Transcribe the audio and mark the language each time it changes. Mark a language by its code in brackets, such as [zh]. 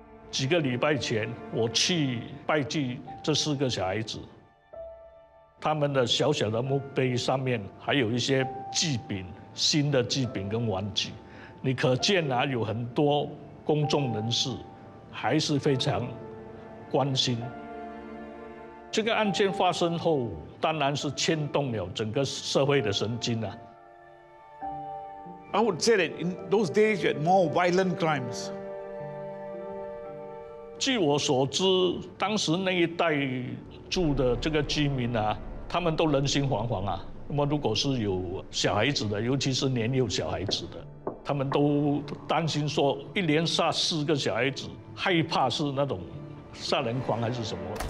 [zh] 几个礼拜前，我去拜祭这四个小孩子，他们的小小的墓碑上面还有一些祭品，新的祭品跟玩具，你可见啊，有很多公众人士还是非常关心。这个案件发生后，当然是牵动了整个社会的神经啊。 [en] I would say that in those days, you had more violent crimes. [zh] 据我所知，当时那一带住的这个居民啊，他们都人心惶惶啊。那么，如果是有小孩子的，尤其是年幼小孩子的，他们都担心说，一连杀四个小孩子，害怕是那种杀人狂还是什么。